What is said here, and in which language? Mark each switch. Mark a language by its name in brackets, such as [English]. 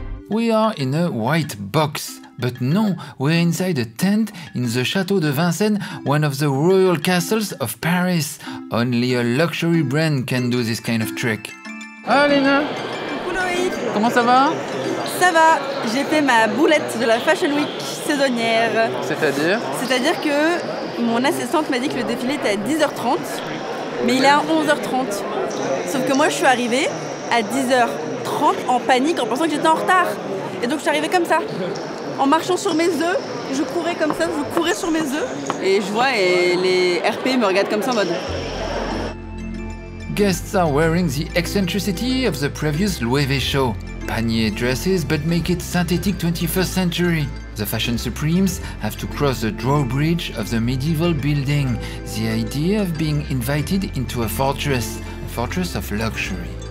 [English] We are in a white box. But no, we're inside a tent in the Chateau de Vincennes, one of the royal castles of Paris. Only a luxury brand can do this kind of trick. Ah, Lena. [French] Coucou Loic. Comment ça va? Ça va. J'ai fait ma boulette de la Fashion Week saisonnière. C'est-à-dire? C'est-à-dire que mon assistante m'a dit que le défilé était à 10h30, mais il est à 11h30. Sauf que moi, je suis arrivée à 10h30 en panique, en pensant que j'étais en retard. Et donc, je suis arrivée comme ça. En marchant sur mes œufs, je courais comme ça, je courais sur mes œufs. Et je vois, et les RP me regardent comme ça en mode. [English] Guests are wearing the eccentricity of the previous Loewe show. Panier dresses, but make it synthetic 21st century. The fashion supremes have to cross the drawbridge of the medieval building. The idea of being invited into a fortress of luxury.